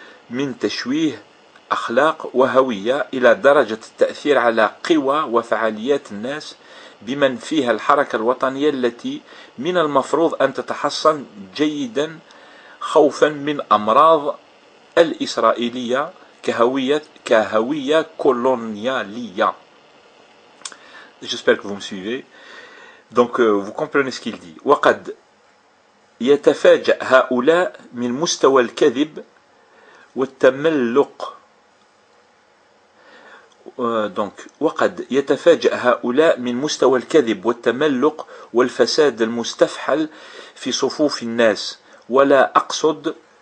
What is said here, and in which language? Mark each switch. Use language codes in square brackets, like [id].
[ar] من تشويه أخلاق وهوية إلى درجة التأثير على قوى وفعاليات الناس بمن فيها الحركة الوطنية التي من المفروض أن تتحصن جيدا خوفا من أمراض الإسرائيلية كهوية كولونيالية. [fr] J'espère que vous me suivez. Donc vous comprenez ce qu'il dit. [ar] وقد يتفاجأ هؤلاء من مستوى الكذب والتملق. دونك وقد يتفاجأ هؤلاء من مستوى الكذب والتملق والفساد المستفحل في صفوف الناس، ولا أقصد